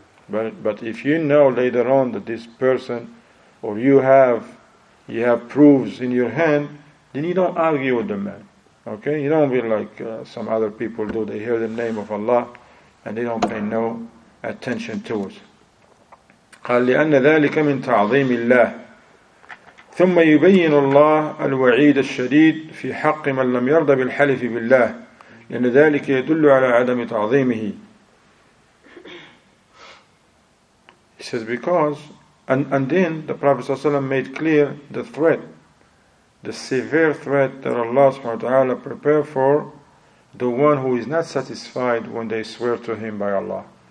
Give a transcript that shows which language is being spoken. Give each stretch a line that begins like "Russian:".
English: But if you know later on that this person, or you have proofs in your hand, then you don't argue with the man. Okay? You don't be like some other people do. They hear the name of Allah and they don't pay no attention to it.
Arabic: قال لأن ذلك من تعظيم الله ثم يبين الله الوعيد الشديد في حق من لم يرضى بالحلف بالله لأن ذلك يدل على عدم تعظيمه.
English: He says, because And then the Prophet ﷺ made clear the threat the severe threat that Allah subhanahu wa ta'ala prepared for the one who is not satisfied when they swear to him by Allah.